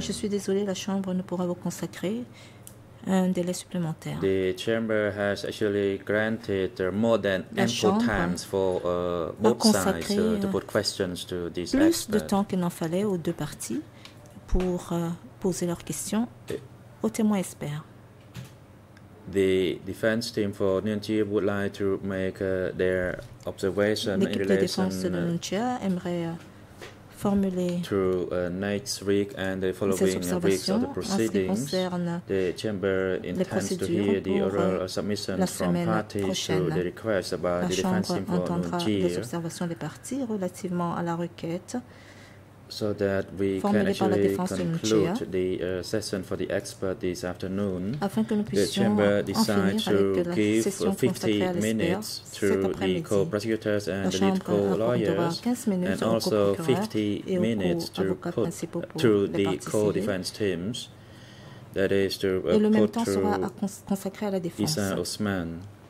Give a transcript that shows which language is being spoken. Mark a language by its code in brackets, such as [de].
[fr] Je suis désolée, la Chambre ne pourra vous consacrer un délai supplémentaire. [en] The Chamber has actually granted more than ample times for both sides to put questions to this expert. [fr] Plus de temps qu'il n'en fallait aux deux parties pour poser leurs questions aux témoins experts. [en] The defense team for Nunchia would like to make their observation next week and the following weeks of the proceedings. The chamber intends to hear the oral submissions from parties to the request about the defense team for Nunchia. [fr] Les observations des parties relativement à la requête. [en] So that we can actually conclude the session for the expert this afternoon, [fr] afin que nous [en] the chamber decides to give 50 minutes to the co-prosecutors and the lead co-lawyers, and also 50 minutes to put to the co-defense teams, that is to put to Issam Osman.